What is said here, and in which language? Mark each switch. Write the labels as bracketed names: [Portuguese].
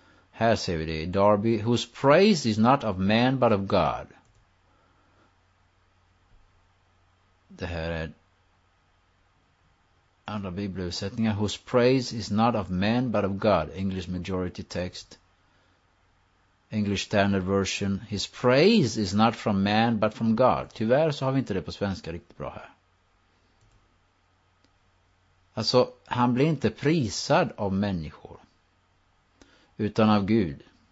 [Swedish] Här ser vi det i [English] Darby, whose praise is not of man but of God. [Swedish] Det här är andra bibelöversättningar, [English] whose praise is not of man but of God, English Majority Text. English Standard Version, his praise is not from man but from God. [Swedish] Tyvärr så har vi inte det på svenska riktigt bra här. Alltså, han blir inte prisad av människor, utan av Gud.